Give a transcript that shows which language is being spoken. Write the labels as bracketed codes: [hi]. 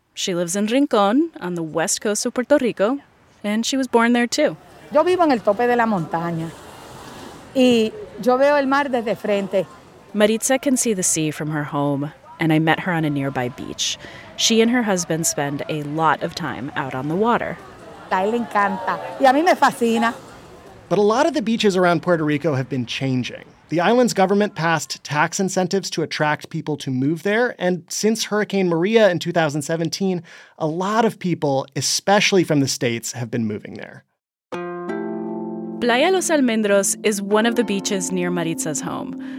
[en] She lives in Rincón on the west coast of Puerto Rico, and she was born there too. [es] Yo vivo en el tope de la montaña, y yo veo el mar desde frente. [en] Maritza can see the sea from her home, and I met her on a nearby beach. She and her husband spend a lot of time out on the water. [es] A él le encanta, y a mí me fascina. [en] But a lot of the beaches around Puerto Rico have been changing. The island's government passed tax incentives to attract people to move there, and since Hurricane Maria in 2017, a lot of people, especially from the States, have been moving there. Playa Los Almendros is one of the beaches near Maritza's home.